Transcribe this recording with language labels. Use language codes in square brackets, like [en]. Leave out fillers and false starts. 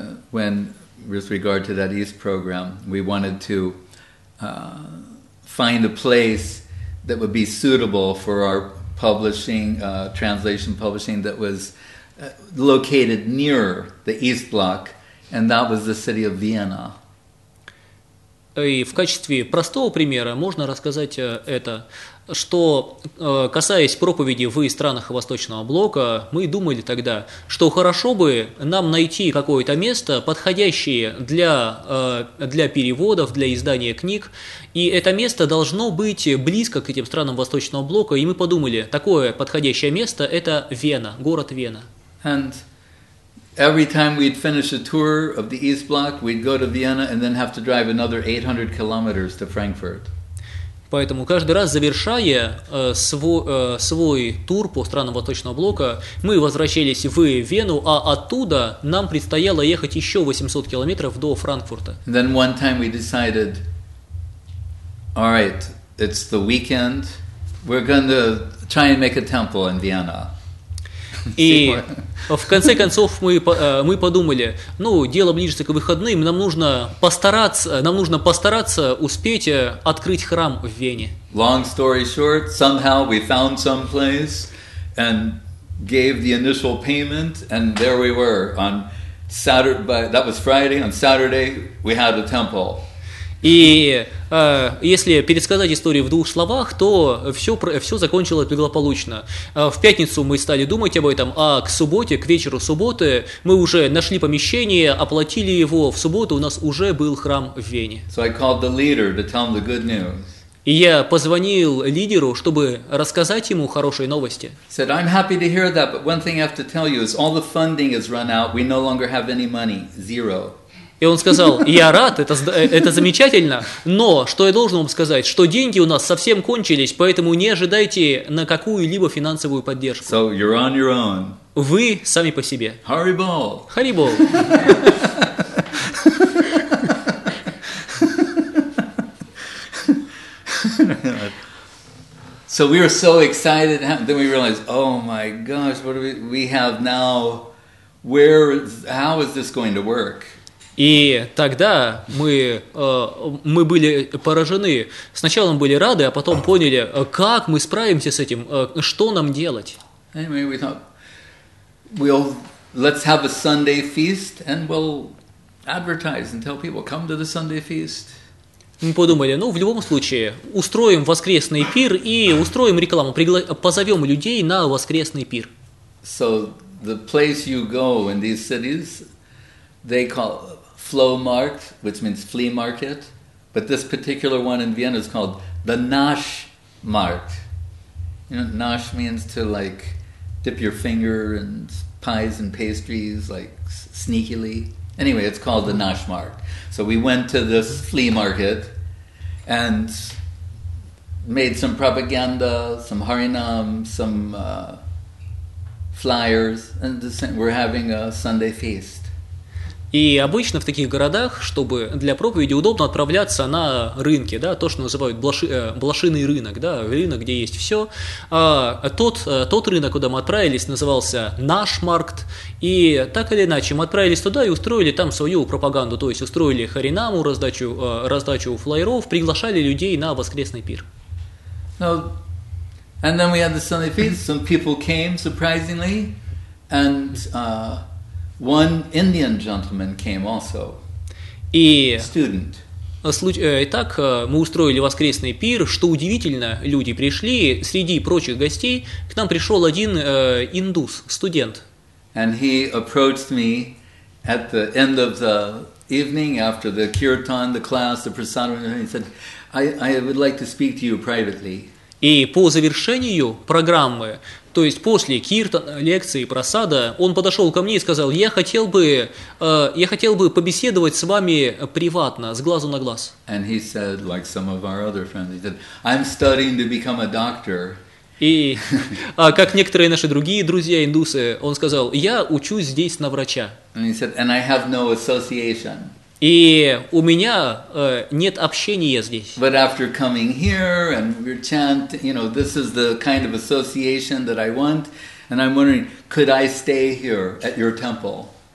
[en] When, with regard to that East program, we wanted to find a place that would be suitable for our publishing, translation publishing, that was located near the East Block, and that was the city of Vienna. [ru] И в качестве простого примера можно рассказать это, что, касаясь проповеди в странах Восточного Блока, мы думали тогда, что хорошо бы нам найти какое-то место, подходящее для, для переводов, для издания книг, и это место должно быть близко к этим странам Восточного Блока, и мы подумали, такое подходящее место – это Вена, город Вена. [en] And every time we'd finish a tour of the East Block, we'd go to Vienna and then have to drive another 800 kilometers to Frankfurt. [ru] Поэтому каждый раз, завершая свой тур по странам Восточного Блока, мы возвращались в Вену, а оттуда нам предстояло ехать еще 800 километров до Франкфурта. [en] And then one time we decided, all right, it's the weekend, we're going to try and make a temple in Vienna. [ru] И в конце концов мы подумали, ну, дело ближе к выходным, нам нужно постараться успеть открыть храм в Вене. [en] Long story short, somehow we found some place and gave the initial payment, and there we were on Saturday, that was Friday, on Saturday we had a temple. [ru] И если пересказать историю в двух словах, то все закончилось благополучно. В пятницу мы стали думать об этом, а к субботе, к вечеру субботы, мы уже нашли помещение, оплатили его. В субботу у нас уже был храм в Вене. [en] So I called the leader to tell him the good news. [ru] И я позвонил лидеру, чтобы рассказать ему хорошие новости. [en] Said, I'm happy to hear that, but one thing I have to tell you is all the funding has run out, we no longer have any money, zero. [ru] И он сказал, я рад, это замечательно, но что я должен вам сказать, что деньги у нас совсем кончились, поэтому не ожидайте на какую-либо финансовую поддержку. [en] So you're on your own. [ru] Вы сами по себе. Харибол. Харибол. [en] So we were so excited, then we realized, oh my gosh, what do we have now? How is this going to work? [ru] И тогда мы были поражены. Сначала мы были рады, а потом поняли, как мы справимся с этим, что нам делать. [en] Anyway, we thought, let's have a Sunday feast, and we'll advertise and tell people, come to the Sunday feast. [ru] Мы подумали, ну, в любом случае, устроим воскресный пир и устроим рекламу, позовем людей на воскресный пир. [en] So, the place you go in these cities, they call Flow Mart, which means flea market, but this particular one in Vienna is called the Nash Mart. You know, Nash means to like dip your finger in pies and pastries, like sneakily. Anyway, it's called the Nash Mart. So we went to this flea market and made some propaganda, some Harinam, some flyers, and we're having a Sunday feast. [ru] И обычно в таких городах, чтобы для проповеди удобно отправляться на рынки, да, то, что называют блошиный рынок, да, рынок, где есть все. А тот рынок, куда мы отправились, назывался Наш Маркт. И так или иначе, мы отправились туда и устроили там свою пропаганду, то есть устроили харинаму, раздачу флайеров, приглашали людей на воскресный пир. [en] And then we had the Sunday feast. Some people came, surprisingly, and one Indian gentleman came also. [ru] И [en] student. [ru] Итак, мы устроили воскресный пир. Что удивительно, люди пришли. Среди прочих гостей к нам пришел один индус, студент. [en] And he approached me at the end of the evening after the kirtan, the class, the prasadam, and he said, "I would like to speak to you privately." [ru] И по завершению программы, то есть после киртана, лекции, просада, он подошел ко мне и сказал, я хотел бы побеседовать с вами приватно, с глазу на глаз. [en] And he said, like some of our other friends, he said, I'm studying to become a doctor. [ru] И, как некоторые наши другие друзья индусы, он сказал, я учусь здесь на врача. [en] And he said, and I have no association. [ru] И у меня нет общения здесь. [en] But after coming here and we're chanting, you know, this is the kind of association that I want, and I'm wondering, could I stay here at your temple?